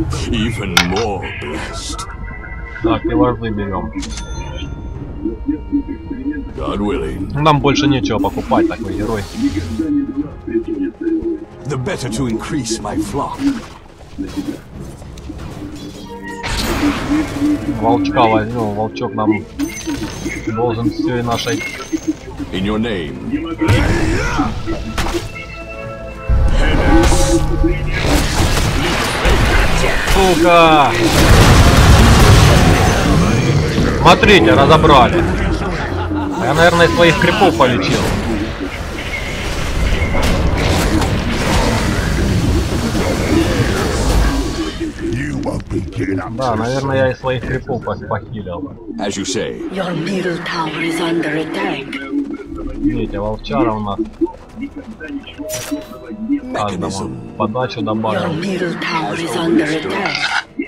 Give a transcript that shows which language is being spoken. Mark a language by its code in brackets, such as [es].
[en] Even more. [ru] Так, и варды берем. [en] God willing. [ru] Нам больше нечего покупать, такой герой. [en] The better to increase my flock. [ru] Волчка возьмем, волчок нам должен все и нашей. [en] In your name. [ru] Сука! Смотрите, разобрали. Я, наверное, своих крипов полечил. Да, наверное, я и своих крипов похилил. [en] As you say. Your middle tower is under attack. [ru] Видите, волчара у нас. Каждому подачу добавил. [en] Your middle tower is under attack.